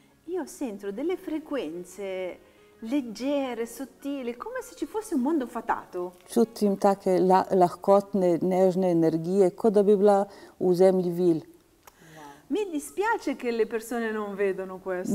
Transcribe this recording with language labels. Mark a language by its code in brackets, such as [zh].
[it] io sento delle frequenze leggere, sottile, come se ci fosse un mondo fatato. [sl] Čutim take lahkotne, nežne energije, kot da bi bila v zemlji vil. [it] Mi dispiace che le persone non vedono questo.